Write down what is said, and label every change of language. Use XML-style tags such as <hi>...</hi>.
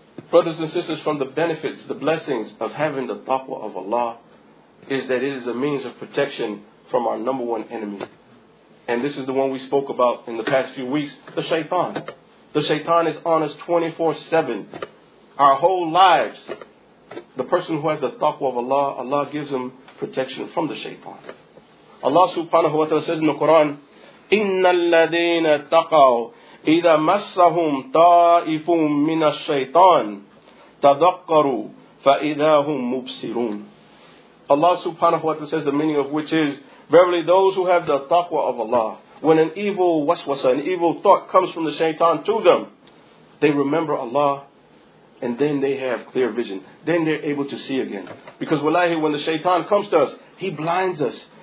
<en>Brothers and sisters, from the benefits, the blessings of having the taqwa of Allah is that it is a means of protection from our number one enemy. And this is the one we spoke about in the past few weeks, the shaitan. The shaitan is on us 24/7. Our whole lives, the person who has the taqwa of Allah, Allah gives him protection from the shaitan. Allah subhanahu wa ta'ala says in the Quran,</en> <ar>إِنَّ الَّذِينَ تَقَوْا إِذَا مَسَّهُمْ طَائِفٌ مِّنَ الشَّيْطَانِ تَذَكَّرُوا فَإِذَا هُمْ مُبْصِرُونَ.</ar> <en>Allah subhanahu wa ta'ala says, the meaning of which is, verily those who have the taqwa of Allah, when an evil waswasa, an evil thought comes from the shaitan to them, they remember Allah and then they have clear vision. Then they're able to see again. Because wallahi, when the shaitan comes to us, he blinds us.</en>